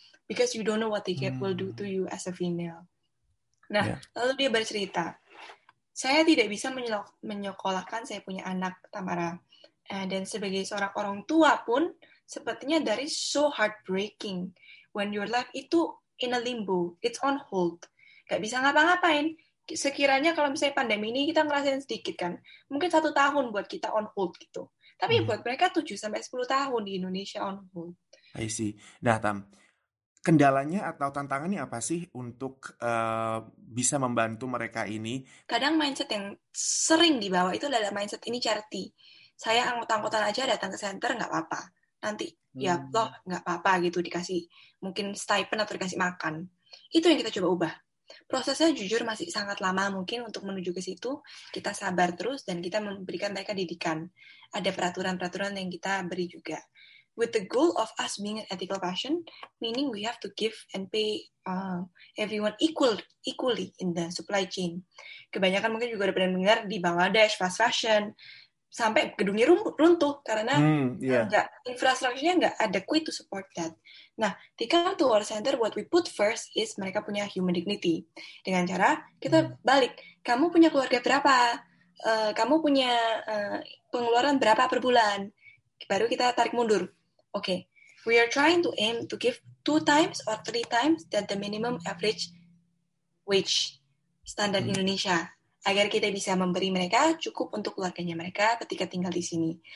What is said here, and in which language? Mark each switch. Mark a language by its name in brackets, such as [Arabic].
[English] Because you don't know what they will do to you as a female. [Indonesian] Nah, lalu dia bercerita, saya tidak bisa menyekolahkan saya punya anak, Tamara. Dan sebagai seorang orang tua pun, sepertinya [English] that is so heartbreaking. when your life itu in a limbo, it's on hold. [Indonesian] Gak bisa ngapa-ngapain. Sekiranya kalau misalnya pandemi ini kita ngerasain sedikit kan, mungkin 1 tahun buat kita [English] on hold [Indonesian] gitu. Tapi buat mereka 7-10 tahun di Indonesia [English] on hold. I see. [Indonesian] Nah, Tam, kendalanya atau tantangannya apa sih untuk bisa membantu mereka ini? Kadang mindset yang sering dibawa itu adalah mindset ini charity. Saya angkut-angkutan aja datang ke center, nggak apa-apa. Nanti, ya loh, nggak apa-apa gitu, dikasih mungkin stipend atau dikasih makan. Itu yang kita coba ubah. Prosesnya jujur masih sangat lama mungkin untuk menuju ke situ. Kita sabar terus dan kita memberikan mereka didikan. Ada peraturan-peraturan yang kita beri juga. [English] With the goal of us being an ethical fashion, meaning we have to give and pay everyone equally in the supply chain. [Indonesian] Kebanyakan mungkin juga ada pendengar di Bangladesh, fast fashion, sampai gedungnya runtuh karena infrastrukturnya nggak [English] adequate to support that. Nah, di come to our center, what we put first is [Indonesian] mereka punya [English] human dignity. [Indonesian] Dengan cara kita balik, kamu punya keluarga berapa? Kamu punya pengeluaran berapa per bulan? Baru kita tarik mundur. Oke, [English] okay. We are trying to aim to give 2 times or 3 times that the minimum average wage standard Indonesia, [Indonesian] agar kita bisa memberi mereka cukup untuk keluarganya mereka ketika tinggal di sini.